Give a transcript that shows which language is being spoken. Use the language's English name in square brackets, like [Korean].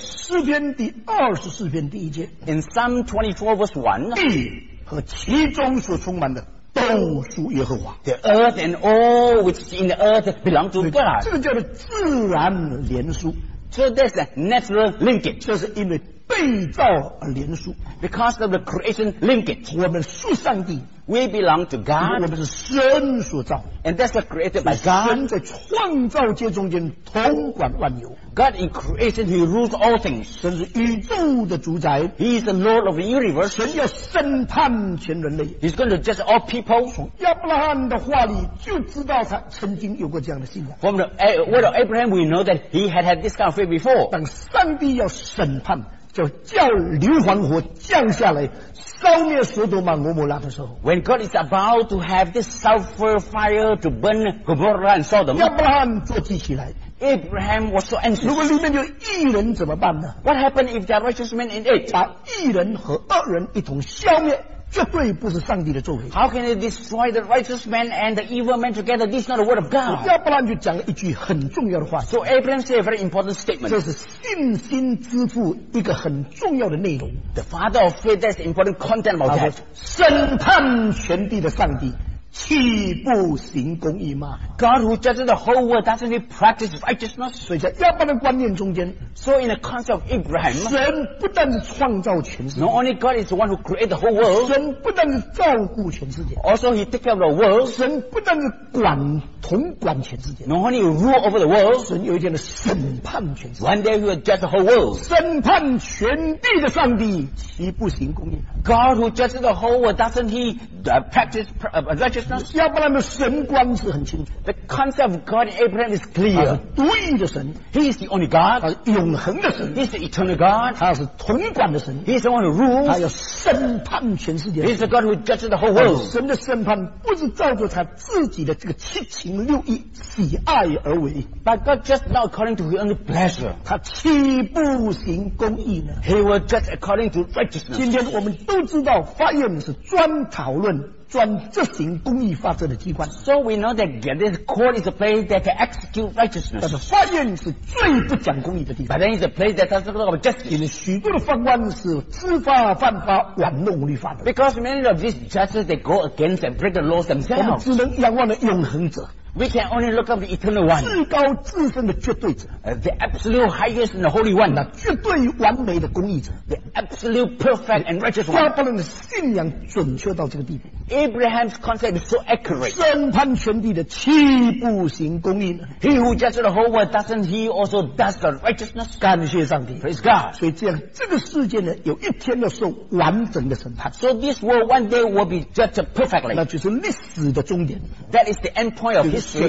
[Chinese] 诗篇第二十四篇第一节。 [English] In Psalm 24 verse 1. [Chinese] 地和其中所充满的都属耶和华。 [English] The earth and all which is in the earth belong to God. [Chinese] 这个叫做自然连续。 [English] So that's a natural linkage. [Chinese] 这是因为被造而连续。 [English] Because of the creation linkage. [Chinese] 我们属上帝。 [English] We belong to God. [Chinese] 我们是神所造。 [English] And that's created by God. [Chinese] 神在创造界中间统管万有。 [English] God in creation, He rules all things. [Chinese] 神是宇宙的主宰。 [English] He is the Lord of the universe. [Chinese] 神要审判全人类。 [English] He's going to judge all people. [Chinese] 从亚伯拉罕的话里就知道他曾经有过这样的信仰。 [English] From the word of Abraham, we know that he had had this kind of faith before. [Chinese] 当上帝要审判，就叫硫磺火降下来烧灭索多玛俄摩拉的时候， [English] When God is about to have this sulfur fire to burn Gomorrah and Sodom, [Chinese] 亚伯拉罕坐起起来， [English] Abraham was so anxious. [Chinese] 如果里面有义人怎么办呢？ [English] What happened if there are righteous men in it? [Chinese] 把义人和恶人一同消灭绝对不是上帝的作为。 [English] How can they destroy the righteous man and the evil man together? This is not the word of God. [Chinese] 亚伯拉罕就讲了一句很重要的话。 [English] So Abraham said a very important statement. [Chinese] 这是信心之父一个很重要的内容。 [English] The father of faith, that's the important content about that. [Chinese] 审判全地的上帝岂不行公义吗？ [English] God who judges the whole world, doesn't he practice righteousness? [Chinese] 所以在亚伯拉罕观念中间， [English] So in the concept of Abraham, [Chinese] 神不但是创造全世界， [English] Not only God is the one who created the whole world, [Chinese] 神不但是照顾全世界， [English] Also he takes care of the world, [Chinese] 神不但是管统管全世界， [English] Not only rule over the world, [Chinese] 神有一天的审判全世界， [English] One day he will judge the whole world, [Chinese] 审判全地的上帝岂不行公义？ [English] God who judges the whole world, doesn't he practice righteousness? [Chinese] 亚伯拉罕的神观是很清楚。 [English] The concept of God in Abraham is clear. [Chinese] 他是独一的神。 [English] He is the only God. [Chinese] 他是永恒的神。 [English] He is the eternal God. [Chinese] 他是统管的神。 [English] He is the one who rules. [Chinese] 他要审判全世界。 [English] He is the God who judges the whole world. [Chinese] 神的审判不是照着他自己的这个七情六欲喜爱而为。 [English] But God just not according to his own pleasure. [Chinese] 他岂不行公义呢？ [English] He will judge according to righteousness. [Chinese] 今天我们都知道法院是专讨论专执行公义法则的机关。 [English] So we know that this court is a place that can execute righteousness. [Chinese] 但是法院是最不讲公义的地方。 [English] But then it's a place that doesn't talk about justice. [Chinese] 因为许多的法官是知法犯法，玩弄律法的。 [English] Because many of these judges they go against and break the laws themselves. [Chinese] 我们只能仰望的永恒者。 [English] We can only look up the eternal one. [Chinese] 至高至圣的绝对者。 [English] The absolute highest and the holy one. [Chinese] 那绝对完美的公义者。 [English] The absolute perfect and righteous one. [Chinese] 亚伯拉罕的信仰准确到这个地步。 [English] Abraham's concept is so accurate. [Chinese] 审判全地的岂不行公义呢？ [English] He who judges the whole world, doesn't he also does the righteousness? [Chinese] 感谢上帝。 [English] Praise God. [Chinese] 所以这样，这个世界呢，有一天要受完整的审判。 [English] So this world one day will be judged perfectly. [Chinese] 那就是历史的终点。 [English] That is the end point of history.